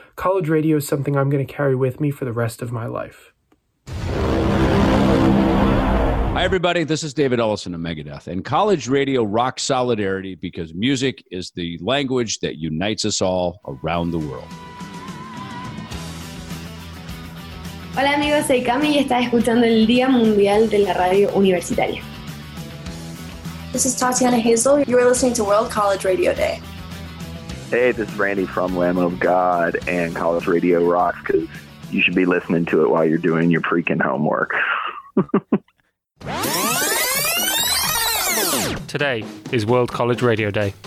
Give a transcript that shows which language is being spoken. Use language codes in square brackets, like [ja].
[en] College radio is something I'm going to carry with me for the rest of my life. Hi, everybody. This is David Ellison of Megadeth, and college radio rocks solidarity because music is the language that unites us all around the world. [es] Hola, amigos. Soy Cami y estás escuchando el Día Mundial de la Radio Universitaria. [en] This is Tatiana Hazel. You are listening to World College Radio Day. Hey, this is Randy from Lamb of God, and college radio rocks because you should be listening to it while you're doing your freaking homework. Today is World College Radio Day.